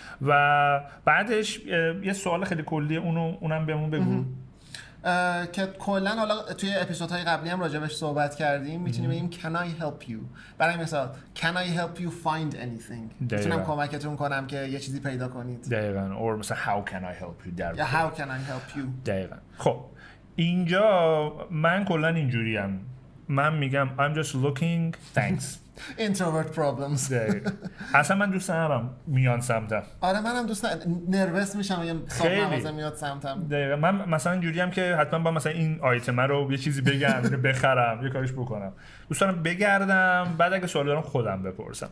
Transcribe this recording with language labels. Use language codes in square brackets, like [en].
[fa] و بعدش یه سوال خیلی کلیه اونم بهمون بگو که کلن حالا توی اپیزودهای قبلی هم راجبش صحبت کردیم، میتونیم بگیم [en] can I help you. [fa] برای مثال [en] can I help you find anything، [fa] میتونم کمکتون کنم که یه چیزی پیدا کنید. دقیقا. [en] or [fa] مثلا [en] how can I help you [fa] یا [en] how can I help you. [fa] دقیقا. خب اینجا من کلن اینجوری هم من میگم [en] I'm just looking thanks. Introvert problems. [fa] اصلا من دوست ندارم میان سمتم. آره منم دوست ندارم، نروس میشم میگم صاحب مغازه میاد سمتم. دقیقا. من مثلا اینجوری هم که حتما با مثلا این آیتم رو یه چیزی بگم بخرم یه کاریش بکنم، دوست دارم بگردم بعد اگه سوال دارم خودم بپرسم.